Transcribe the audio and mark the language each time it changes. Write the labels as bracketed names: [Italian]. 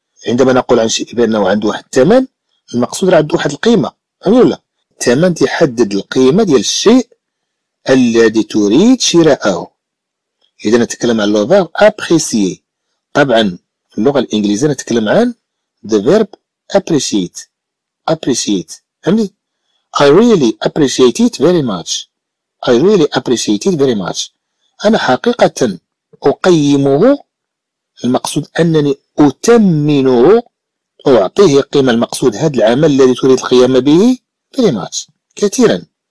[Arabic] عندما نقول عن شيء بأنه عنده واحد الثمن المقصود عنده واحد القيمة. فهمت ولا؟ الثمن تحدد القيمة ديال الشيء الذي تريد شراءه. إذا نتكلم عن لو فيرب أبريسي، طبعا في اللغة الإنجليزية نتكلم عن [English] the verb appreciate. appreciate يعني I really appreciate it very much. I really appreciate it very much. [Arabic] أنا حقيقة أقيمه المقصود أنني أتمنه أعطيه قيمة المقصود هذا العمل الذي تريد القيام به [English] very much [Arabic] كثيرا.